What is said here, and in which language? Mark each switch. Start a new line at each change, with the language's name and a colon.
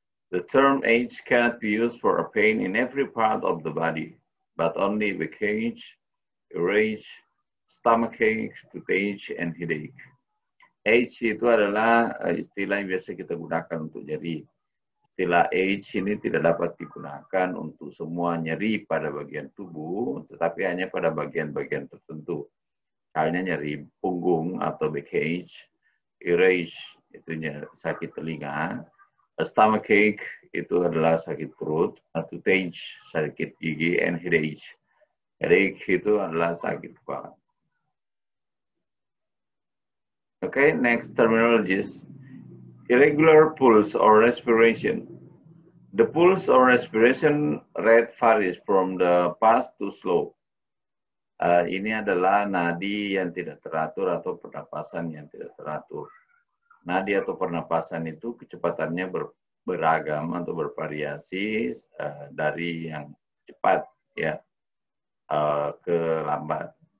English: The term age cannot be used for a pain in every part of the body, but only with age, rage, stomach ache, toothache, and headache.
Indonesian: Age itu adalah istilah yang biasa kita gunakan untuk nyeri. Istilah age ini tidak dapat digunakan untuk semua nyeri pada bagian tubuh, tetapi hanya pada bagian-bagian tertentu. Halnya nyeri punggung atau backache, earache itu sakit telinga, stomachache itu adalah sakit perut, toothache sakit gigi, and headache. Headache itu adalah sakit kepala.
English: Okay, next terminologies. Irregular pulse or respiration. The pulse or respiration rate varies from the fast to slow.
Indonesian: Ini adalah nadi yang tidak teratur atau pernapasan yang tidak teratur. Nadi atau pernapasan itu kecepatannya beragam atau bervariasi dari yang cepat ya ke lambat.